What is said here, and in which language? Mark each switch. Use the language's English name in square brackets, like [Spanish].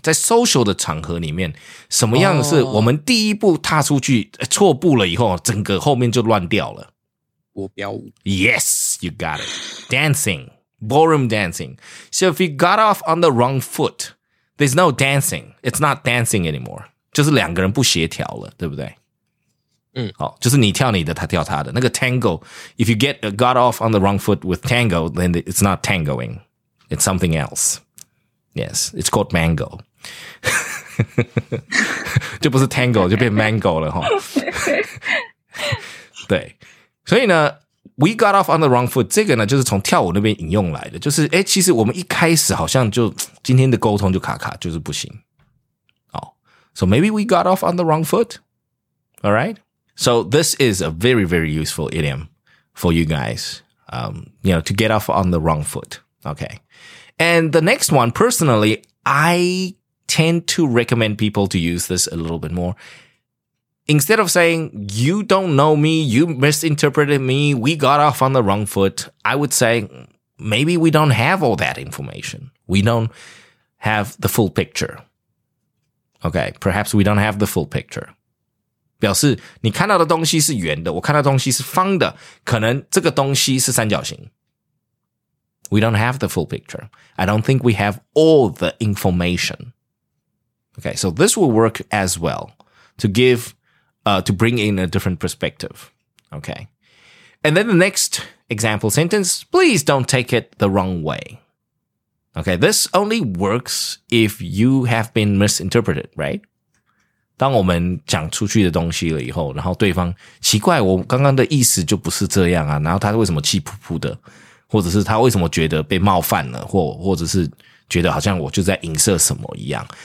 [Chinese] 在 social 的场合里面，什么样是我们第一步踏出去错步了以后，整个后面就乱掉了。 [English] Yes, you got it. Dancing. Ballroom dancing. So if you got off on the wrong foot, there's no dancing. It's not dancing anymore. [Chinese] 就是两个人不协调了，对不对？好，就是你跳你的，他跳他的。那个 [English] tango, if you got off on the wrong foot with tango, then it's not tangoing. It's something else. Yes, it's called mango. [Chinese] 就不是 tango, 就变 mango 了。对。所以呢 , [English] we got off on the wrong foot, [Chinese] 这个呢就是从跳舞那边引用来的。就是诶，其实我们一开始好像就今天的沟通就卡卡，就是不行。好。 [English] So maybe we got off on the wrong foot? Alright? So this is a very, very useful idiom for you guys. You know, to get off on the wrong foot. Okay. And the next one, personally, I tend to recommend people to use this a little bit more. Instead of saying, you don't know me, you misinterpreted me, we got off on the wrong foot, I would say, maybe we don't have all that information. We don't have the full picture. Okay, perhaps we don't have the full picture. [Chinese] 表示你看到的东西是圆的，我看到的东西是方的，可能这个东西是三角形。 [English] We don't have the full picture. I don't think we have all the information. Okay, so this will work as well to give, to bring in a different perspective. Okay. And then the next example sentence, please don't take it the wrong way. Okay, this only works if you have been misinterpreted, right? [Chinese] 当我们讲出去的东西了以后，然后对方奇怪，我刚刚的意思就不是这样啊，然后他为什么气扑扑的，或者是他为什么觉得被冒犯了，或者是觉得好像我就在影射什么一样。